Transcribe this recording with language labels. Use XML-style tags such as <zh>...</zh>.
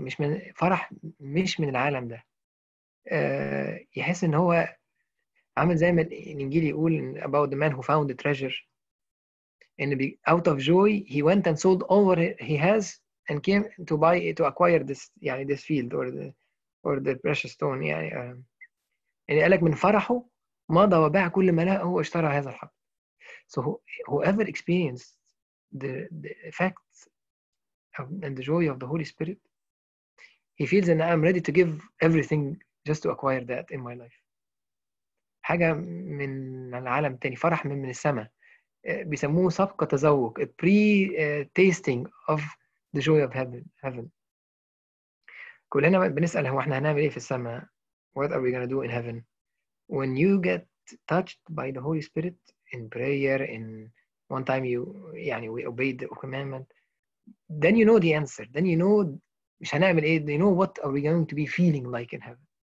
<ar>مش من فرح مش من العالم ده. يحس ان هو عامل زي ما الانجيل يقول</ar> <en>about the man who found the treasure. And out of joy he went and sold all what he has and came to buy to acquire this</en> <ar>يعني</ar> <en>this field or the precious stone.</en> <ar>يعني يعني قالك من فرحه مضى وباع كل ما له هو اشترى هذا الحق.</ar> <en>So whoever experienced the effects of, and the joy of the Holy Spirit, he feels that I'm ready to give everything just to acquire that in my life.</en> <ar>حاجة من العالم تاني فرح من السماء بيسموه سبق تذوق</ar> <en>a pre-tasting of the joy of heaven.</en> <ar>كلنا بنسأل هو احنا هنعمل ايه في السماء</ar> <en>what are we gonna do in heaven. When you get touched by the Holy Spirit in prayer, in one time you,</en> <ar>يعني</ar> <en>we obeyed the commandment, then you know the answer. Then you know,</en> <ar>مش هنعمل ايه,</ar> <en>you know what are we going to be feeling like in heaven.</en>